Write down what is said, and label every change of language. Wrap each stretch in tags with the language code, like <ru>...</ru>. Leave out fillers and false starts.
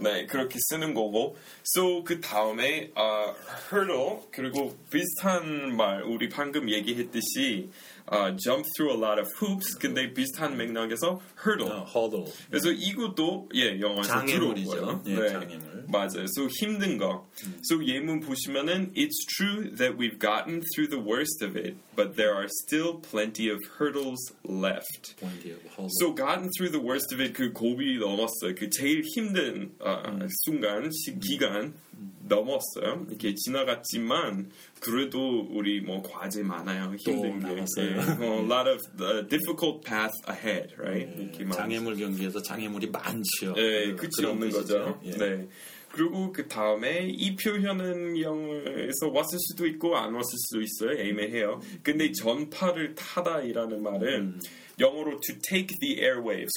<ko>네, 그렇게 쓰는 거고. So 그 다음에 hurdle 그리고 비슷한 말 우리 방금 얘기했듯이</ko> <en>jump through a lot of hoops</en> <ko>근데 비슷한 맥락에서 hurdle.</ko> <en>Hurdle.</en> <ko>그래서 이것도 예 영어에서 장애물이죠. 예, 네. 장애물. 맞아요. So 힘든 거.</ko> <en>So</en> <ko>예문 보시면은</ko> <en>it's true that we've gotten through the worst of it, but there are still plenty of hurdles left. Plenty of hurdles.</en> <ko>So</ko> <en>gotten through the worst of it</en> <ko>그 고비 넘었어요. 그 제일 힘든 순간 기간. 넘었어요. 이렇게 지나갔지만 그래도 우리 뭐 과제 많아요. 힘든 또 남았어요. 게. 네.</ko> <en>A lot of the difficult path ahead, right?</en> <ko>네. 장애물 경기에서 장애물이 많죠. 네, 끝이 없는 거죠. 예. 네. 그리고 그 다음에 이 표현은 영어에서 왔을 수도 있고 안 왔을 수도 있어요. 애매해요. 근데 전파를 타다이라는 말은 영어로</ko> <en>to take the airwaves.</en>